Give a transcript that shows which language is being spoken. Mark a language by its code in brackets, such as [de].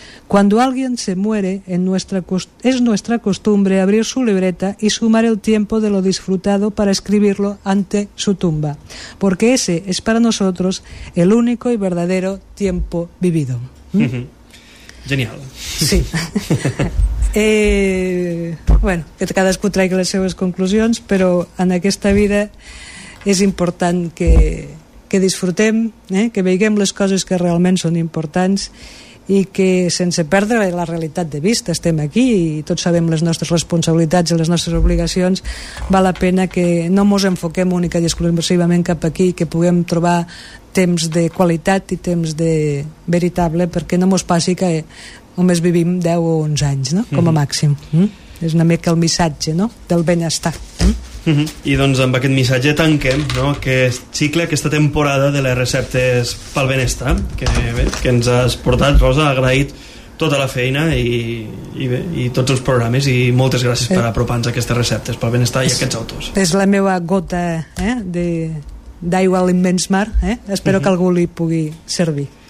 [es] Cuando alguien se muere, es nuestra costumbre abrir su libreta y sumar el tiempo de lo disfrutado para escribirlo ante su tumba, porque ese es para nosotros el único y verdadero tiempo vivido. [ca] Genial. Sí. Bueno, que cadascú traigui les seves conclusions, però en aquesta vida és important que disfrutem, que veiem les coses que realment són importants i que sense perdre la realitat de vista estem aquí i tots sabem les nostres responsabilitats i les nostres obligacions. Val la pena que no ens enfoquem únicament i exclusivament cap aquí, que puguem trobar temps de qualitat i temps de veritable, perquè no ens passi que només vivim 10 o 11 anys, no? Com a màxim. És una mica el missatge, no?, del benestar. I doncs amb aquest missatge tanquem, no?, aquest cicle, aquesta temporada de les receptes pel benestar que ens has portat. Rosa, agraït tota la feina i tots els programes, i moltes gràcies per apropar-nos a aquestes receptes pel benestar i aquests autors. És la meva gota d'aigua a l'immens mar. Espero que algú li pugui servir.